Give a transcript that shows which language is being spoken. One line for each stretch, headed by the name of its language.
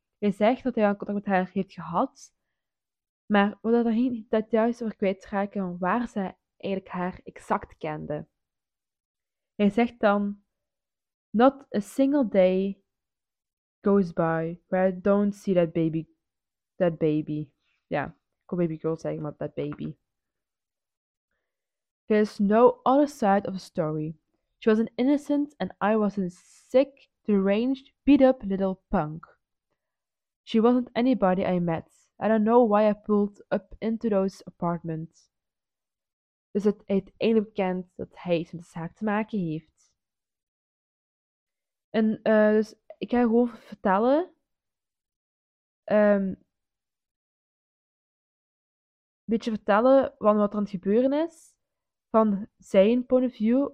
Dutch: Hij zegt dat hij al contact met haar heeft gehad, maar we hadden geen details over kwijtraken van waar ze eigenlijk haar exact kende. Hij zegt dan,
English: not a single day goes by where I don't see that baby.
Dutch: Ja, ik kan
English: baby girl
Dutch: zeggen, maar
English: that baby. There is no other side of the story. She was an innocent and I was a sick, deranged, beat up little punk. She wasn't anybody I met. I don't know why I pulled up into those apartments.
Dutch: Dus het uiteindelijk bekend dat hij iets met de zaak te maken heeft. En dus ik ga gewoon vertellen. Een beetje vertellen van wat er aan het gebeuren is. Van zijn
English: point of view.